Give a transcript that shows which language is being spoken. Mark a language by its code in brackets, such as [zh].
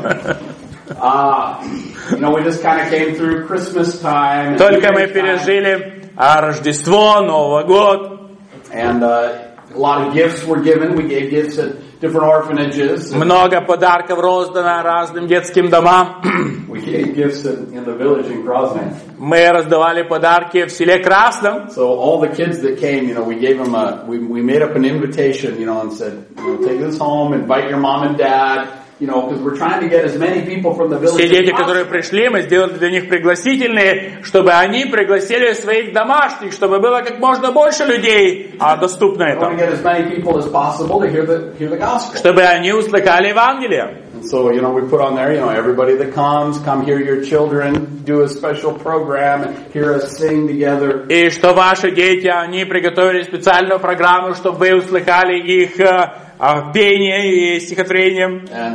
[en] You know, we just kind of came through Christmas time. [ru] Только мы пережили Рождество, Новый год. [en] And a lot of gifts were given. We gave gifts at different orphanages. [ru] Много подарков раздано разным детским домам. [en] We gave gifts in the village in Krasny. [ru] Мы раздавали подарки в селе Красном. [en] So all the kids that came, you know, we gave them we made up an invitation, you know, and said, you know, take this home, invite your mom and dad, you know, because we're trying to get as many people from the village. [ru] Все дети, которые пришли, мы сделали для них пригласительные, чтобы они пригласили своих домашних, чтобы было как можно больше людей, доступно это. [en] We want to get as many people as possible to hear the gospel. [ru] Чтобы они услыхали Евангелие. [en] And so, you know, we put on there, you know, everybody that comes, come hear your children, do a special program, hear us sing together. [ru] И что ваши дети, они приготовили специальную программу, чтобы вы услыхали их пение и стихотворение.